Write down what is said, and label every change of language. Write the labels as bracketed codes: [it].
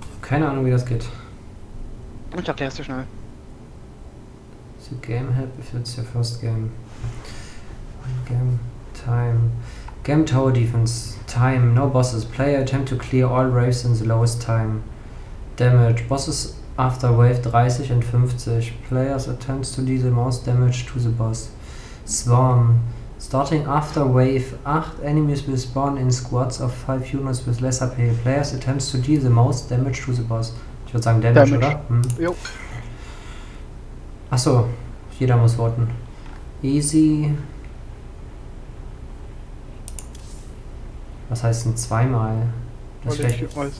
[de] keine Ahnung, wie das geht. Ich erklär's dir schnell. [en] So game help if it's your first game. Game time. Game tower defense. Time. No bosses. Player attempt to clear all waves in the lowest time. Damage. Bosses after wave 30 and 50. Players attempt to deal the most damage to the boss. Swarm. Starting after wave 8, enemies will spawn in squads of 5 units with less HP. Players attempt to deal the most damage to the boss. [de] Ich würde sagen Damage, oder? Hm. Jo. Achso, jeder muss warten. [en] Easy. [de] Was heißt denn zweimal? Das ist schlecht. Ich